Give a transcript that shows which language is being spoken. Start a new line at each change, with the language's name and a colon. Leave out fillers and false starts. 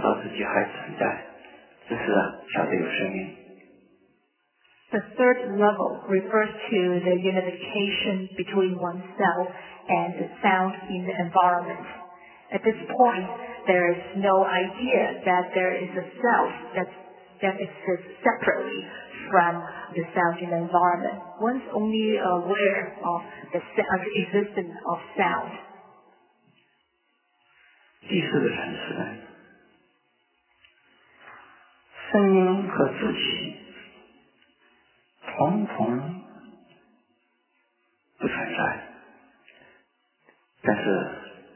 Chinese: 第三个层次啊，这个声音，自己融入于声音，声音跟自己是没有分别。实际上这个时候没有想到自己还存在，只是晓得有声音。
English: The third level refers to the unification between oneself and the sound in the environment. At this point, there is no idea that there is a self that exists separately from the sound in the environment. One's only aware of the existence of sound.
Chinese: 第四个层次呢，声音和自己统统不存在，但是。